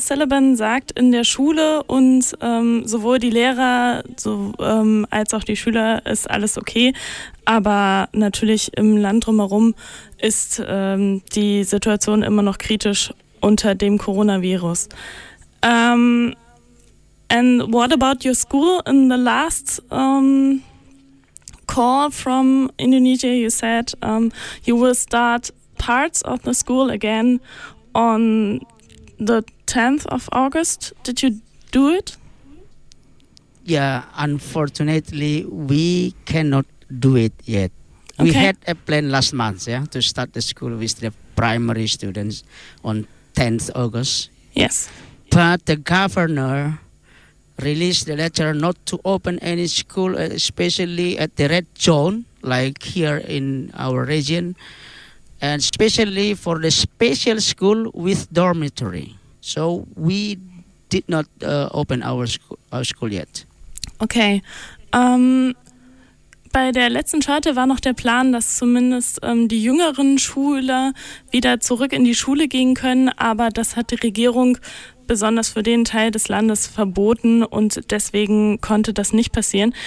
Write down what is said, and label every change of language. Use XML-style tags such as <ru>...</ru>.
<de>Sullivan sagt, in der Schule und sowohl die Lehrer als auch die Schüler ist alles okay, aber natürlich im Land drumherum ist die Situation immer noch kritisch unter dem Coronavirus.</de> <en>And what about your school? In the last call from Indonesia, you said you will start parts of the school again on the 10th of August, did you do it? Yeah, unfortunately, we cannot do it yet. Okay. We had a plan last month, yeah, to start the school with the primary students on 10th August. Yes. But the governor released the letter not to open any school, especially at the red zone, like here in our region, and especially for the special school with dormitory. So we did not open our school yet. Okay.</en> <de>Bei der letzten Schalte war noch der Plan, dass zumindest die jüngeren Schüler wieder zurück in die Schule gehen können, aber das hat die Regierung besonders für den Teil des Landes verboten und deswegen konnte das nicht passieren.</de>